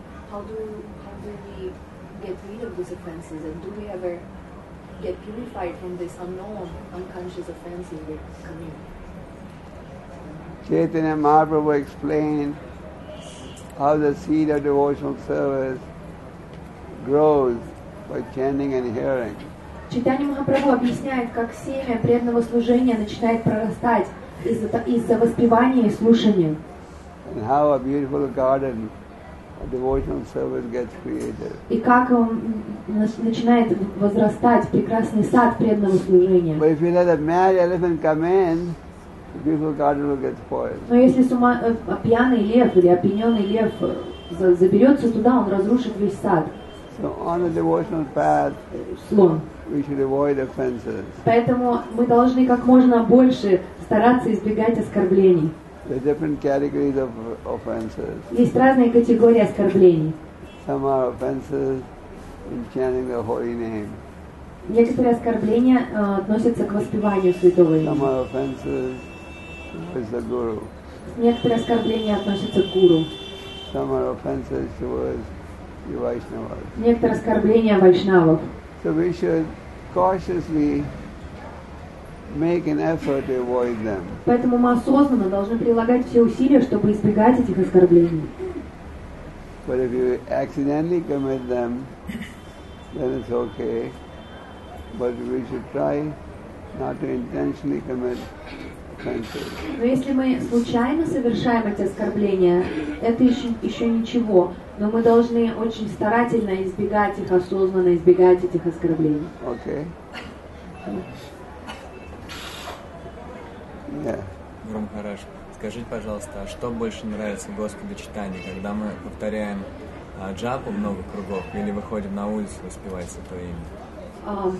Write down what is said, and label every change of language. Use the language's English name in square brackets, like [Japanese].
[English] How do we get rid of these offenses, and do we ever get purified from this unknown, unconscious offenses we commit? Chaitanya Mahaprabhu explained how the seed of devotional service grows by chanting and hearing. [Russian] Чайтанья Махапрабху объясняет, как семя преданного служения начинает прорастать из-за воспевания и слушания. [English] And how a beautiful garden devotional service gets created. [Russian] И как он начинает возрастать прекрасный сад преданного служения. [English] But if you let a mad elephant come in, the beautiful garden will get spoiled. [Russian] Но если пьяный лев или опьяненный лев заберется туда, он разрушит весь сад. [English] So on a devotional path, we should avoid offenses. [Russian] Поэтому мы должны как можно больше стараться избегать оскорблений. [English] There are different categories of offenses. [Russian] Есть разные категории оскорблений. [English] Some are offenses in chanting the holy name. [Russian] Некоторые оскорбления относятся к воспеванию святого имени. [English] Some are offenses towards the guru. [Russian] Некоторые оскорбления относятся к гуру. [English] Some are offenses towards the Vaishnavas. [Russian] Некоторые оскорбления вайшнавов. [English] So we should cautiously make an effort to avoid them. [Russian] Поэтому мы осознанно должны прилагать все усилия, чтобы избегать этих оскорблений. [English] But if you accidentally commit them, then it's okay. But we should try not to intentionally commit offenses. [Russian] Но если мы случайно совершаем эти оскорбления, это еще ничего. Но мы должны очень старательно избегать их, осознанно избегать этих оскорблений. Okay. Гуру Махарадж, скажите, пожалуйста, а что больше нравится Господу Чайтанье, когда мы повторяем джапу много кругов или выходим на улицу воспевать Святое Имя?